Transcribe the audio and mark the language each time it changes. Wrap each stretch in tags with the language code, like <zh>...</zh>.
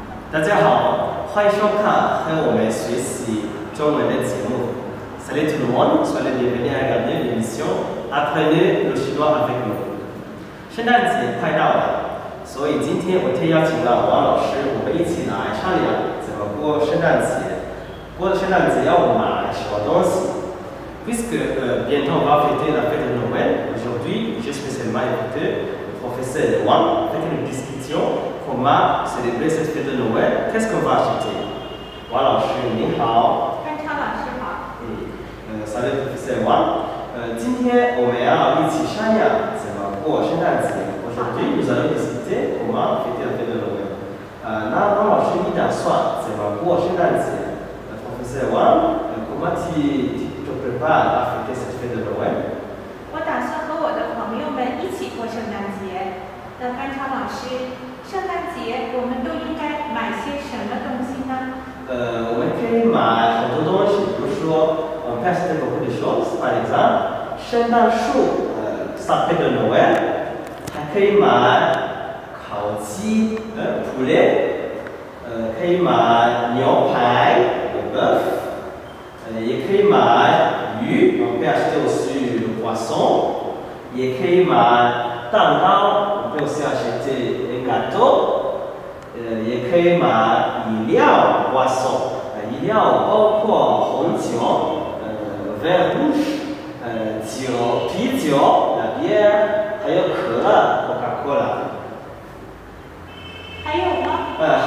<zh>大家好，欢迎收看和我们学习中文的节目。</zh> <fr>Salut tout le monde, soyez les bienvenus à regarder l'émission Apprenez le chinois avec nous。</fr> <zh>圣诞节快到了，所以今天我特邀请了王老师，我们一起来商量怎么过圣诞节。过了圣诞节要买什么东西</zh> <fr>？Puisque bientôt on va fêter la fête de Noël, aujourd'hui je suis avec mon professeur Wang pour une discussion. Comment célébrer cette fête de Noël? Qu'est-ce qu'on va acheter?</fr> <zh>Wang 老师你好。潘超老师好。</zh> <fr>Salut professeur Wang。</fr> <zh>今天我们要一起商量怎么过圣诞节。</zh> <fr>Aujourd'hui nous allons discuter comment fêter la fête de Noël。</fr> <zh>那王老师你打算怎么过圣诞节？</zh> <fr>Professeur Wang, comment tu prépares à fêter cette fête de Noël?</fr> <zh>我打算和我的朋友们一起过圣诞节。那潘超老师。圣诞节我们都应该买些什么东西呢？我们可以买很多东西，比如说 ，</zh> <fr>festive beaucoup de choses, par exemple,</fr> <zh>圣诞树，</zh> <fr>Sapin de Noël，</fr> <zh>还可以买烤鸡，poulet， 可以买牛排 ，bœuf， 也可以买鱼 ，</zh> <fr>on peut acheter aussi du poisson，</fr> <zh>也可以买蛋糕 ，</zh> <fr>on peut aussi acheter un gâteau。</fr> <zh>也可以买饮料 ，boisson， 饮料包括红酒 ，vin rouge， 酒啤酒 ，la bière， 还有可乐 ，Coca-Cola。还有吗？</zh>